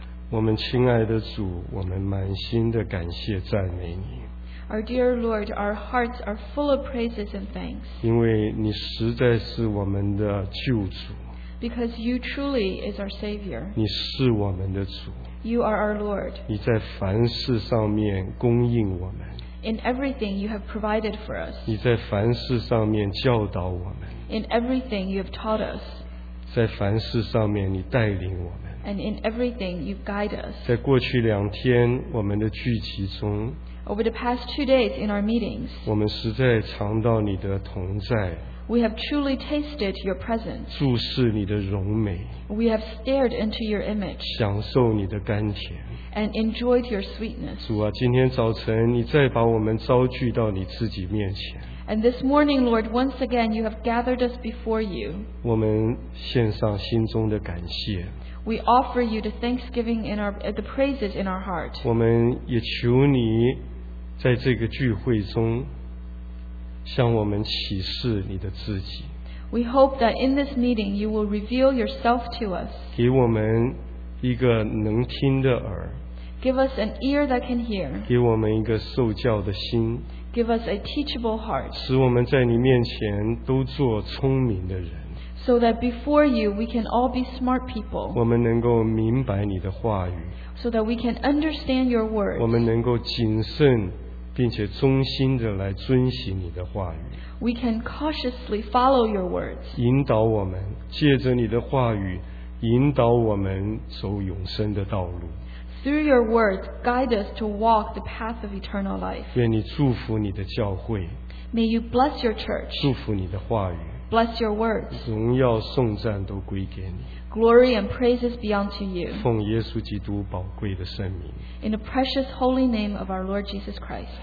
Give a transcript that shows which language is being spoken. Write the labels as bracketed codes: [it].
[zh] 我们亲爱的主，我们满心的感谢赞美你。 [en] Our dear Lord, our hearts are full of praises and thanks. [zh] 因为你实在是我们的救主。 [en] Because you truly is our Savior. [zh] 你是我们的主。 [en] You are our Lord. [zh] 你在凡事上面供应我们。 [en] In everything you have provided for us. [zh] 你在凡事上面教导我们。 [en] In everything you have taught us. [zh] 在凡事上面你带领我们。 [en] And in everything you guide us. [zh] 在过去两天我们的聚集中。 [en] Over the past 2 days in our meetings. [zh] 我们实在尝到你的同在。 [en] We have truly tasted your presence. [zh] 注视你的荣美。 [en] We have stared into your image. [zh] 享受你的甘甜。 [en] And enjoyed your sweetness. [zh] 主啊，今天早晨你再把我们召聚到你自己面前。 [en] And this morning, Lord, once again, you have gathered us before you. [zh] 我们献上心中的感谢。 [en] We offer you the thanksgiving in our, the praises in our heart. [zh] 我们也求你在这个聚会中向我们启示你的自己。 [en] We hope that in this meeting you will reveal yourself to us. [zh] 给我们一个能听的耳。 [en] Give us an ear that can hear. [zh] 给我们一个受教的心。 [en] Give us a teachable heart. [zh] 使我们在你面前都做聪明的人。 [en] So that before you we can all be smart people. [zh] 我们能够明白你的话语。 [en] So that we can understand your words. [zh] 我们能够谨慎。并且忠心地来遵行你的话语 [en] We can cautiously follow your words [zh] 引导我们 借着你的话语 引导我们走永生的道路 [en] Through your words, guide us to walk the path of eternal life [zh] 愿你祝福你的教会 [en] May you bless your church [zh] 祝福你的话语 [en] Bless your words [zh] 荣耀颂赞都归给你 [en] Glory and praises be unto you. [zh] 奉耶稣基督宝贵的圣名。 [en] In the precious holy name of our Lord Jesus Christ.